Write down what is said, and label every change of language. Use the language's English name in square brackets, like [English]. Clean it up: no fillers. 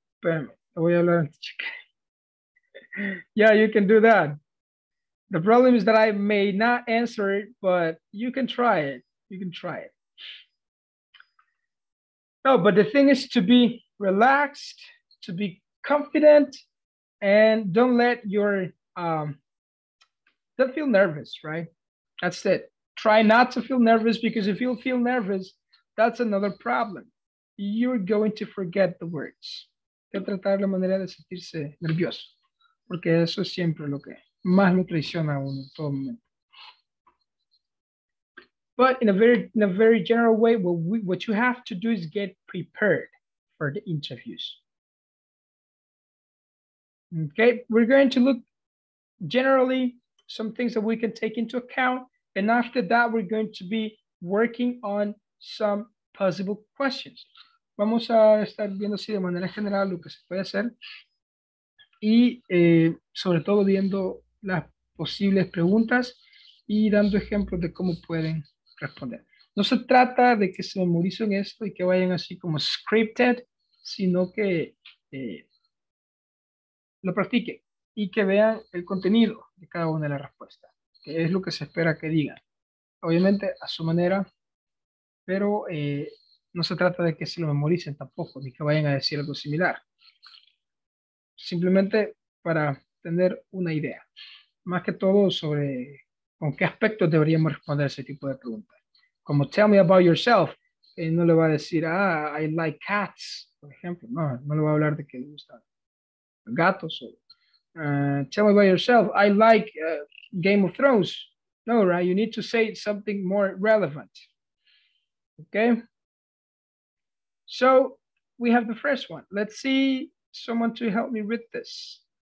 [Spanish] Espérame, le voy a hablar antes de checar. [English] Yeah, you can do that. The problem is that I may not answer it, but you can try it. You can try it. No, but the thing is to be relaxed, to be confident, and don't let your, don't feel nervous, right? That's it. Try not to feel nervous, because if you feel nervous, that's another problem. You're going to forget the words. [Spanish] Tratar la manera de sentirse nervioso, porque eso es siempre lo que más lo traiciona a uno en todo momento. [English] But in a very general way, what you have to do is get prepared for the interviews. Okay, we're going to look generally some things that we can take into account. And after that, we're going to be working on some possible questions. [Spanish] Vamos a estar viendo así de manera general lo que se puede hacer. Y sobre todo viendo las posibles preguntas y dando ejemplos de cómo pueden responder. No se trata de que se memoricen esto y que vayan así como scripted, sino que lo practiquen y que vean el contenido de cada una de las respuestas, que es lo que se espera que digan. Obviamente a su manera, pero no se trata de que se lo memoricen tampoco, ni que vayan a decir algo similar. Simplemente para tener una idea, más que todo sobre con qué aspectos deberíamos responder ese tipo de preguntas. Como [English] tell me about yourself, [Spanish] no le va a decir, ah, [English] I like cats, [Spanish] por ejemplo. No, no le va a hablar de que le gustan gatos. [English] O, tell me about yourself, I like Game of Thrones. No, right, you need to say something more relevant. Okay? So, we have the first one. Let's see someone to help me with this.